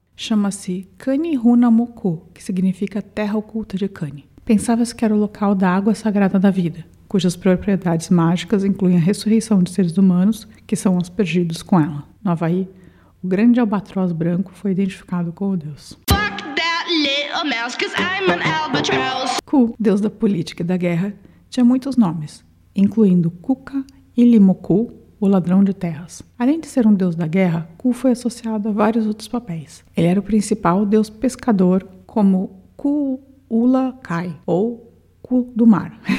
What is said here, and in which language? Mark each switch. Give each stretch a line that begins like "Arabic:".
Portuguese: Chama-se Kani Huna Moku, que significa terra oculta de Kani. Pensava-se que era o local da água sagrada da vida, cujas propriedades mágicas incluem a ressurreição de seres humanos que são aspergidos com ela. No Havaí, o grande albatroz branco foi identificado com o deus.
English: Fuck that little mouse, 'cause I'm an albatross.
Portuguese: Ku, deus da política e da guerra, tinha muitos nomes, incluindo Kuka e Limoku, o ladrão de terras. Além de ser um deus da guerra, Ku foi associado a vários outros papéis. Ele era o principal deus pescador, como Ku-ula-kai, ou Ku do mar.